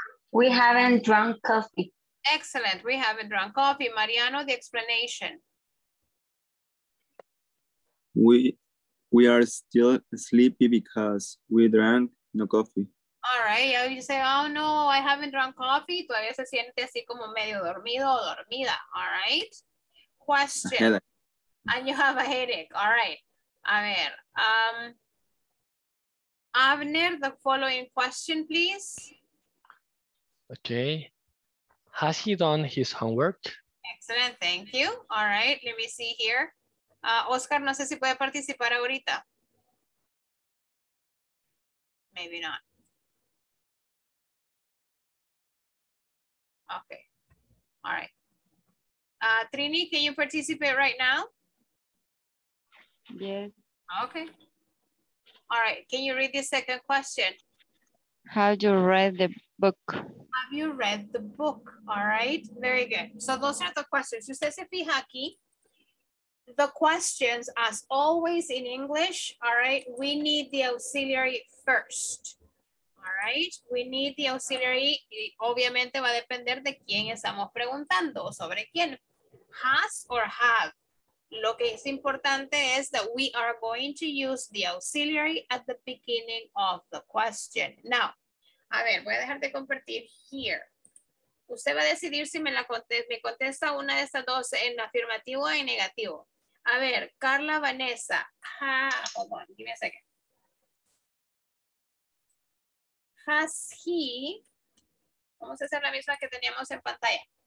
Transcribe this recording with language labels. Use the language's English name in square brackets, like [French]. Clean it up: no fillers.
[English] We haven't drunk coffee. Excellent. We haven't drunk coffee. Mariano, the explanation. We are still sleepy because we drank no coffee. All right. You say, oh no, I haven't drunk coffee. [Spanish] Todavía se siente así como medio dormido o dormida. [English] All right. Question. And you have a headache. All right. [Spanish] A ver. [English] Abner, the following question, please. Okay. Has he done his homework? Excellent, thank you. All right, let me see here. Oscar, [Spanish] no sé si puede participar ahorita. [English] Maybe not. Okay, all right. Trini, can you participate right now? Yes. Okay. All right, can you read the second question? Have you read the book? Have you read the book? All right, very good. So those are the questions. [Spanish] Usted se fija aquí. [English] The questions, as always in English, all right, we need the auxiliary first. All right, we need the auxiliary. [Spanish] Y obviamente va a depender de quién estamos preguntando, sobre quién. [English] Has or have. [Spanish] Lo que es importante es [English] that we are going to use the auxiliary at the beginning of the question. [Spanish] Now, a ver, voy a dejar de compartir here. Usted va a decidir si me contesta una de estas dos en afirmativo o en negativo. A ver, [English] Carla Vanessa. Hold on, give me a second. Has he, [Spanish] vamos a hacer la misma que teníamos en pantalla.